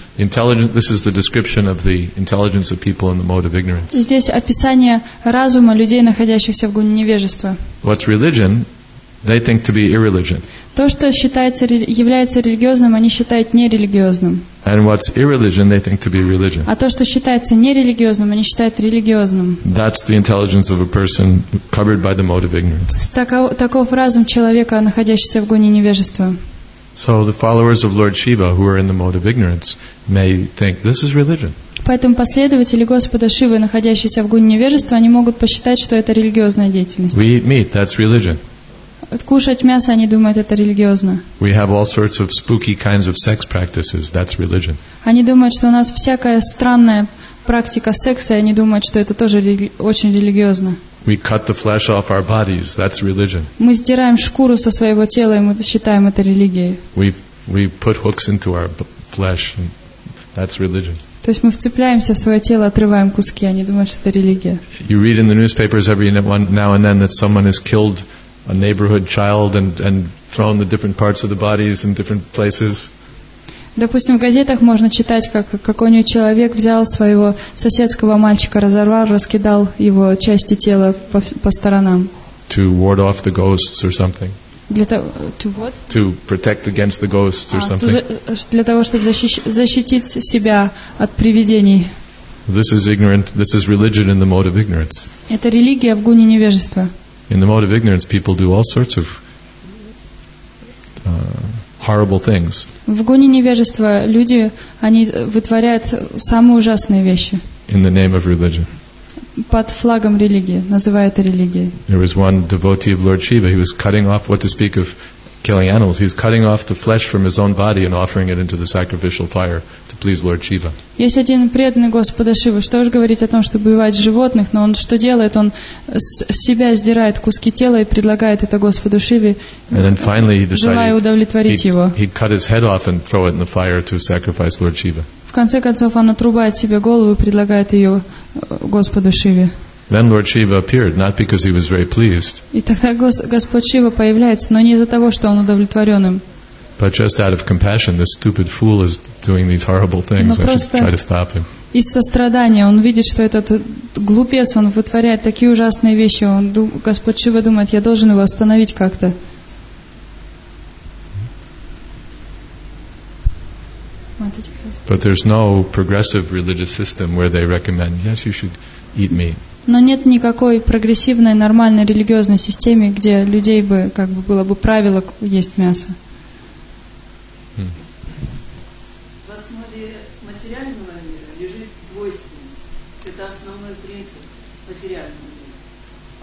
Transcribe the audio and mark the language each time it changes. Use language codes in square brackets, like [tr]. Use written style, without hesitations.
[en] Intelligence, this is the description of the intelligence of people in the mode of ignorance. [ru] Здесь описание разума людей, находящихся в гуне невежества. [en] What's religion? They think to be irreligion. [ru] То, что считается, является религиозным, они считают нерелигиозным. [en] And what's irreligion, they think to be religion. [ru] А то, что считается нерелигиозным, они считают религиозным. [en] That's the intelligence of a person covered by the mode of ignorance. [ru] Таков разум человека, находящегося в гуне невежества. [en] So the followers of Lord Shiva, who are in the mode of ignorance, may think this is religion. [ru] Поэтому последователи Господа Шивы, находящиеся в гуне невежества, они могут посчитать, что это религиозная деятельность. [en] We eat meat, that's religion. [ru] Кушать мясо, они думают, это религиозно. [en] We have all sorts of spooky kinds of sex practices. That's religion. [ru] Они думают, что у нас всякая странная практика секса, и они думают, что это тоже очень религиозно. [en] We cut the flesh off our bodies. That's religion. [ru] Мы сдираем шкуру со своего тела, и мы считаем это религией. [en] We put hooks into our flesh. And that's religion. [ru] То есть мы вцепляемся в свое тело, отрываем куски, они думают, что это религия. [en] You read in the newspapers every now and then that someone is killed. A neighborhood child and thrown the different parts of the bodies in different places. [ru] Допустим, в газетах можно читать, как какой-нибудь человек взял своего соседского мальчика, разорвал, раскидал его части тела по сторонам. [en] To ward off the ghosts or something. [ru] Для того, [en] to what? To protect against the ghosts or something. [ru] Для того, чтобы защитить себя от привидений. [en] This is ignorant. This is religion in the mode of ignorance. [ru] Это религия в гуне невежества. [en] In the mode of ignorance, people do all sorts of horrible things. [ru] В гуне невежества люди, они вытворяют самые ужасные вещи. [en] In the name of religion. [ru] Под флагом религии, называя это религией. [en] There was one devotee of Lord Shiva. He was cutting off, what to speak of killing animals, he was cutting off the flesh from his own body and offering it into the sacrificial fire to please Lord Shiva. [ru] Есть один преданный Господа Шивы, что уж говорить о том, чтобы убивать животных, но он что делает? Он себя сдирает куски тела и предлагает это Господу Шиве, желая удовлетворить его. [en] He cut his head off and throw it in the fire to sacrifice Lord Shiva. [ru] В конце концов, он отрубает себе голову и предлагает ее Господу Шиве. [en] Then Lord Shiva appeared, not because he was very pleased. [ru] И тогда Господь Шива появляется, но не из-за того, что он удовлетворен им. [en] But just out of compassion, this stupid fool is doing these horrible things. I should try to stop him. [ru] Из сострадания он видит, что этот глупец, он вытворяет такие ужасные вещи. Он Господь Шива думает, я должен его остановить как-то. [en] But there's no progressive religious system where they recommend, yes, you should eat meat. [ru] Но нет никакой прогрессивной, нормальной религиозной системы, где людей бы, как бы, было бы правило есть мясо. В основе материального мира лежит двойственность. Это основной принцип материального мира.